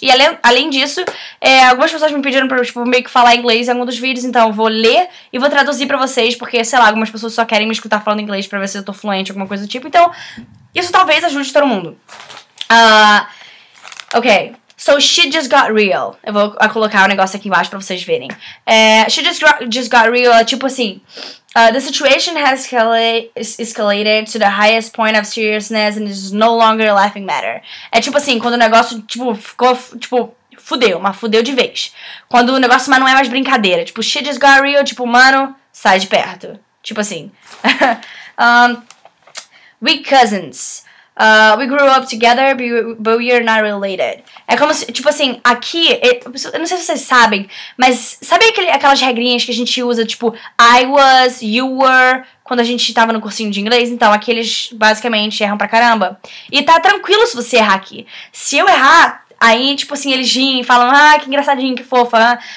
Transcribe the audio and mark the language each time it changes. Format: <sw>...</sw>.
<pt>E além disso, algumas pessoas me pediram pra, tipo, meio que falar inglês em algum dos vídeos, então eu vou ler e vou traduzir pra vocês, porque, sei lá, algumas pessoas só querem me escutar falando inglês pra ver se eu tô fluente, alguma coisa do tipo, então isso talvez ajude todo mundo. Ok.</pt> <en>So she just got real.</en> <pt>Eu vou colocar o um negócio aqui embaixo pra vocês verem.</pt> <en>She just got real,</en> <pt>tipo assim.</pt> <en>The situation has escalated to the highest point of seriousness and is no longer a laughing matter.</en> <pt>É tipo assim, quando o negócio, tipo, ficou, tipo, fudeu, mas fudeu de vez. Quando o negócio, mas não é mais brincadeira. Tipo,</pt> <en>she just got real,</en> <pt>tipo, mano, sai de perto. Tipo assim.</pt> <en>We cousins. We grew up together, but we are not related.</en> <pt>É como se, tipo assim, aqui, eu não sei se vocês sabem, mas sabe aquelas regrinhas que a gente usa, tipo,</pt> <en>I was, you were,</en> <pt>quando a gente tava no cursinho de inglês? Então, aqui eles basicamente erram pra caramba. E tá tranquilo se você errar aqui. Se eu errar, aí, tipo assim, eles riem e falam, ah, que engraçadinho, que fofa.</pt>